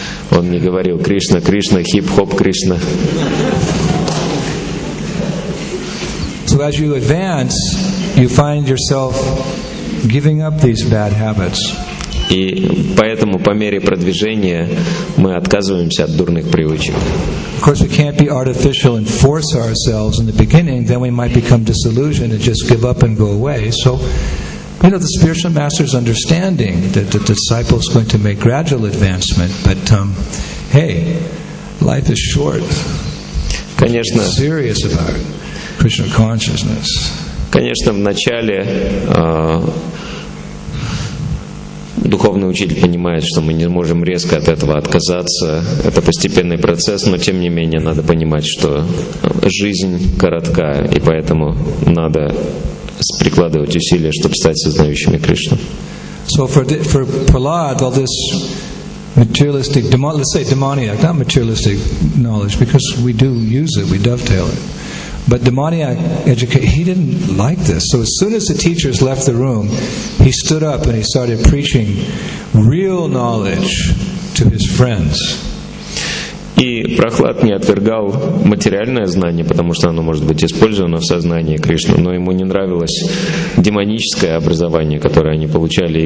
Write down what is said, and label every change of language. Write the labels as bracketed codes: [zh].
[ru] Он не говорил Кришна, Кришна, хип-хоп, Кришна. [en] So as you advance, you find yourself giving up these bad habits. [ru] И поэтому по мере продвижения мы отказываемся от дурных привычек. [en] Of course, we can't be artificial and force ourselves in the beginning, then we might become disillusioned and just give up and go away. So, you know, the spiritual master's understanding that the disciple is going to make gradual advancement, but hey, life is short. [ru] Конечно. [en] Serious about Krishna consciousness. [ru] Конечно, в начале духовный учитель понимает, что мы не можем резко от этого отказаться. Это постепенный процесс, но тем не менее надо понимать, что жизнь коротка, и поэтому надо прикладывать усилия, чтобы стать сознающими Кришну. [en] So for Prahlad, all this materialistic, let's say demoniac, not materialistic knowledge, because we do use it, we dovetail it. But demoniac educator, he didn't like this. So as soon as the teachers left the room, he stood up and he started preaching real knowledge to his friends. [ru] И Прохлад не отвергал материальное знание, потому что оно может быть использовано в сознании Кришны, но ему не нравилось демоническое образование, которое они получали.